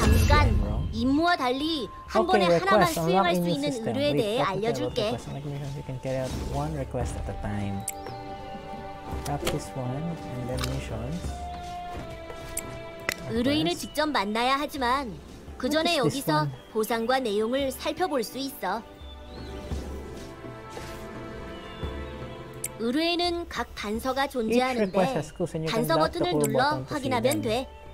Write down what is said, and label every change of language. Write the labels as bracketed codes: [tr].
[ko] 잠깐 임무와 달리 한 번에 하나만 수행할 수 있는 의뢰에 대해 알려줄게. [en] You can carry out one request at a time. Tap this one and then missions. [ko] 의뢰인을 직접 만나야 하지만 그 전에 여기서 보상과 내용을 살펴볼 수 있어. 의뢰에는 각 단서가 존재하는데 단서 버튼을 눌러 확인하면 돼.